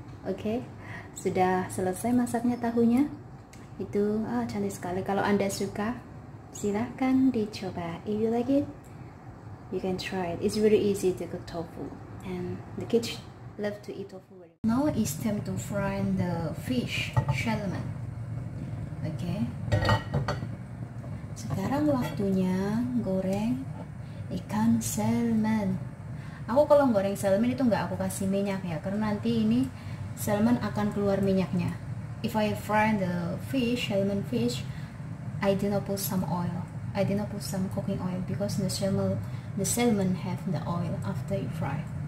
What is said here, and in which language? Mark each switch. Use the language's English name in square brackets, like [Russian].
[Indonesian] Okay, sudah selesai masaknya tahunya. Itu cantik sekali. Kalau Anda suka, silahkan dicoba. [English] If you like it, you can try it. It's really easy to cook tofu, and the kids love to eat tofu. Now it's time to fry the fish salmon. [Indonesian] Okay, sekarang waktunya goreng ikan salmon. Aku kalau goreng salmon itu nggak aku kasih minyak ya, karena nanti ini salmon akan keluar minyaknya. [English] If I fry the fish, salmon fish, I did not put some oil. I did not put some cooking oil because the salmon have the oil after you fry.